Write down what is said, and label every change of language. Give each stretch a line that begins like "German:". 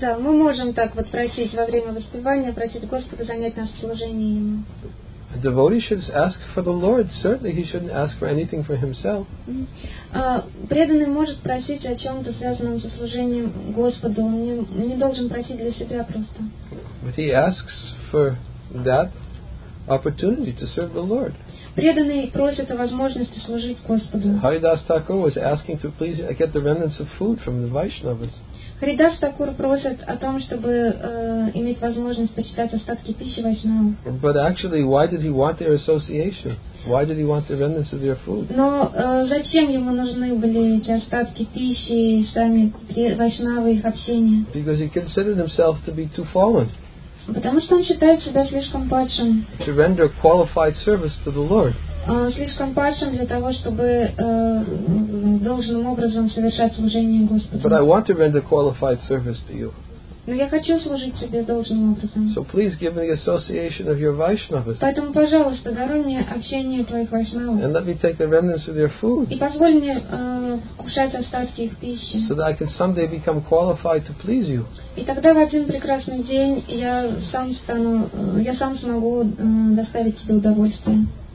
Russian: Да, мы можем так вот просить во время воспевания, просить Господа занять нас в служении Ему.
English: A devotee should ask for the Lord. Certainly he shouldn't ask for anything for himself.
Russian: Преданный может просить о чем-то связанном со служением Господу. Он не должен просить для себя просто.
English: But he asks for that opportunity to serve the Lord.
Russian: Преданный просит о возможности служить Господу.
English: Haridas Thakur was asking to please get the remnants of food from the Vaishnavas.
Russian: Haridas Thakur просит о том, чтобы иметь возможность почитать остатки пищи Вайшнавы.
English: But actually, why did he want their association? Why did he want the remnants of their food?
Russian: Но зачем ему нужны были эти остатки пищи и сами Вайшнавы, их общение?
English: Because he considered himself to be too fallen.
Russian: Потому что он считает себя слишком падшим.
English: To render qualified service to the Lord.
Russian: Слишком падшим для того, чтобы должным образом совершать служение Господу.
English: But I want to render qualified service to you.
Russian: Но я хочу служить тебе должным образом.
English: So please give me the association of your Vaishnavas.
Russian: Поэтому, пожалуйста, даруй мне общение твоих Вайшнавов.
English: And let me take the remnants of their food.
Russian: И позволь мне кушать остатки их пищи.
English: So that I can someday become qualified to please you.
Russian: И тогда в один прекрасный день я сам смогу доставить тебе удовольствие.